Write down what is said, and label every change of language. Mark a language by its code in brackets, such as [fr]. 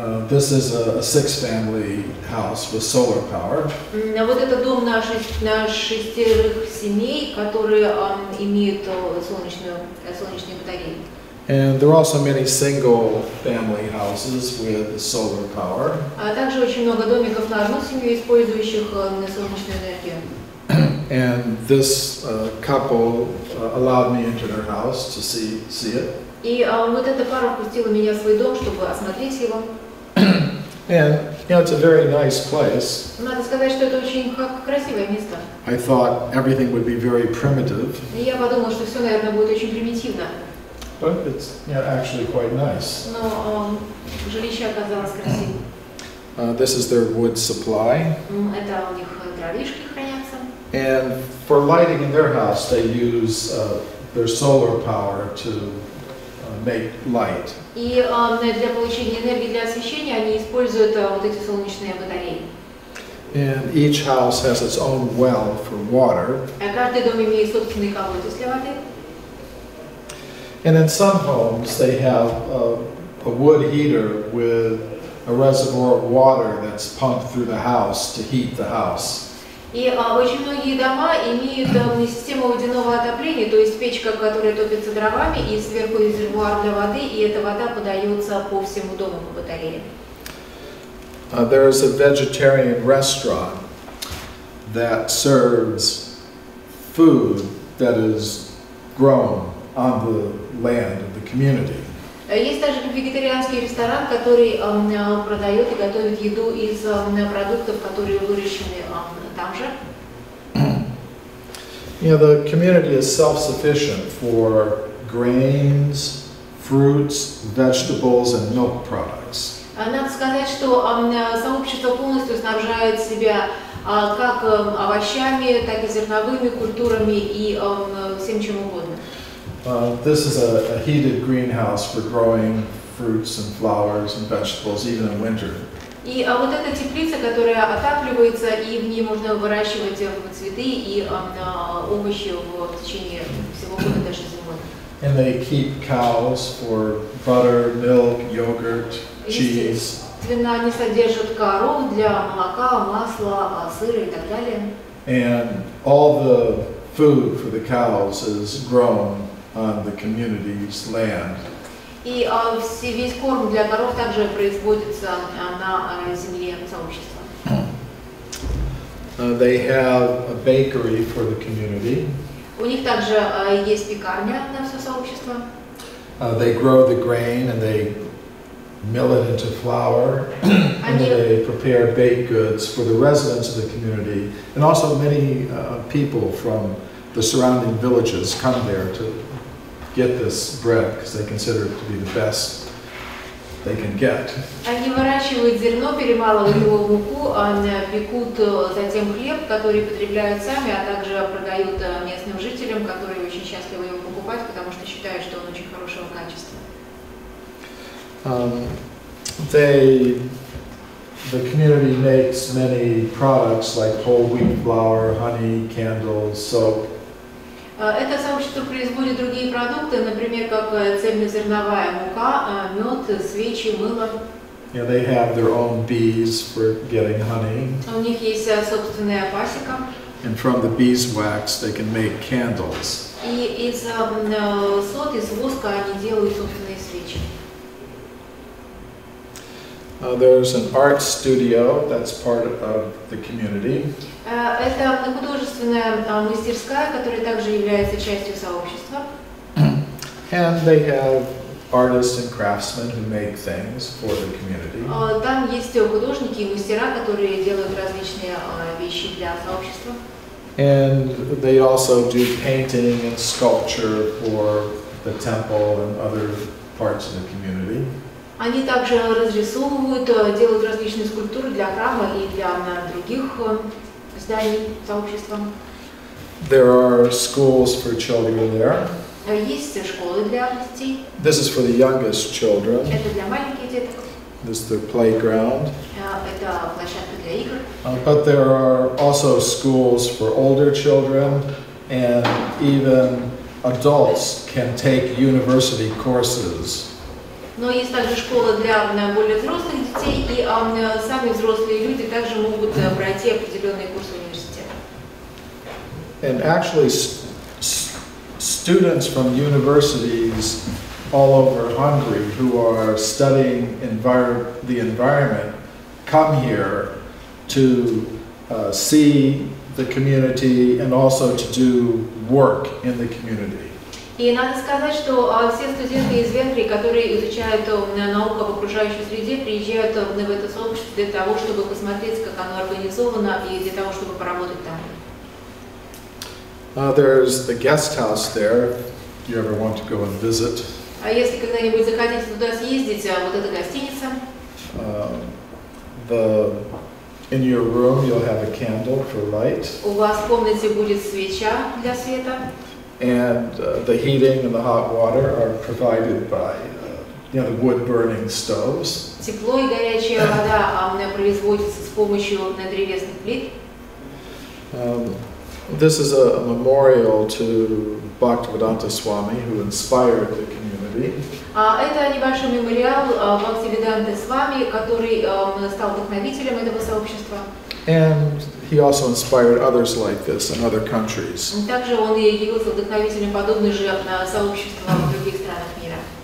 [en] This is a six-family house with solar power. [ru] Вот это дом на шестерых семей, которые имеют солнечные батареи. [en] And there are also many single-family houses with solar power. [ru] Также очень много домиков на одну семью, использующих солнечную энергию. [en] And this couple allowed me into their house to see it. [ru] И вот эта пара впустила меня в свой дом, чтобы осмотреть его. [en] And you know, it's a very nice place. [ru] Надо сказать, что это очень красивое место. [en] I thought everything would be very primitive. [ru] И я подумала, что все, наверное, будет очень примитивно. [en] But it's actually quite nice. [ru] Но жилище оказалось красивым. [en] This is their wood supply. [ru] Это у них дровишки хранятся. [en] And for lighting in their house, they use their solar power to make light. [ru] И для получения энергии для освещения они используют вот эти солнечные батареи. [en] And each house has its own well for water. [ru] А каждый дом имеет собственный колодец для воды. [en] And in some homes, they have a wood heater with a reservoir of water that's pumped through the house to heat the house. [ru] И очень многие дома имеют систему водяного отопления, то есть печка, которая топится дровами, и сверху резервуар для воды, и эта вода подается по всему дому по батарее. [en] There is a vegetarian restaurant that serves food that is grown on the land of the community. [ru] Есть также вегетарианский ресторан, который продает и готовит еду из продуктов, которые выращены там же. [en] Yeah, the community is self-sufficient for grains, fruits, vegetables, and milk products. [ru] Надо сказать, что сообщество полностью снабжает себя как овощами, так и зерновыми культурами и всем чем угодно. [en] This is a heated greenhouse for growing fruits and flowers and vegetables, even in winter. [ru] И вот эта теплица, которая отапливается, и в ней можно выращивать цветы и овощи в течение всего года, даже зимой. [en] And they keep cows for butter, milk, yogurt, cheese. [ru] Свина не содержит коров для молока, масла, сыра и так далее. [en] And all the food for the cows is grown on the community's land. [ru] И весь корм для коров также производится на земле сообщества. [en] They have a bakery for the community. [ru] У них также есть пекарня на все сообщество. [en] They grow the grain and they mill it into flour, and then they prepare baked goods for the residents of the community, and also many people from the surrounding villages come there to get this bread because they consider it to be the best they can get. [ru] Они выращивают зерно, перемалывают его в муку, пекут затем хлеб, который потребляют сами, а также продают местным жителям, которые очень счастливы его покупать, потому что считают, что он очень хорошего качества. [en] The community makes many products like whole wheat flour, honey, candles, soap. [ru] Это сообщество производит другие продукты, например, как цельнозерновая мука, мед, свечи, мыло. [en] Yeah, they have their own bees for getting honey. [ru] У них есть собственная пасека. [en] And from the beeswax, they can make candles. [ru] И из соты, из воска они делают собственные свечи. [en] There's an art studio that's part of the community. [ru] Это художественная мастерская, которая также является частью сообщества. [en] And they have artists and craftsmen who make things for the community. [ru] Там есть художники и мастера, которые делают различные вещи для сообщества. [en] And they also do painting and sculpture for the temple and other parts of the community. [ru] Они также разрисовывают, делают различные скульптуры для храма и для других зданий сообщества. [en] There are schools for children there. [ru] Есть школы для детей. [en] This is for the youngest children. [ru] Это для маленьких деток. [en] This is the playground. [ru] Это площадка для игр. [en] But there are also schools for older children and even adults can take university courses. [ru] Но есть также школа для более взрослых детей, и сами взрослые люди также могут пройти определенные курсы университета. [en] And actually, students from universities all over Hungary who are studying the environment come here to see the community and also to do work in the community. [ru] И надо сказать, что все студенты из Венгрии, которые изучают науку об окружающей среде, приезжают в это сообщество для того, чтобы посмотреть, как оно организовано, и для того, чтобы поработать там. [en] There's the guest house there, if you ever want to go and visit. [ru] А если когда-нибудь захотите туда съездить, вот эта гостиница. [en] In your room you'll have a candle for light. [ru] У вас в комнате будет свеча для света. [en] And the heating and the hot water are provided by the wood-burning stoves. [ru] Тепло и горячая вода производится с помощью древесных плит. [en] This is a memorial to Bhaktivedanta Swami, who inspired the community. [ru] Это небольшой мемориал Бхактивиданте Свами, который стал вдохновителем этого сообщества. [en] And he also inspired others like this in other countries. [ru] Также он явился вдохновителем подобных же сообществ в других странах мира.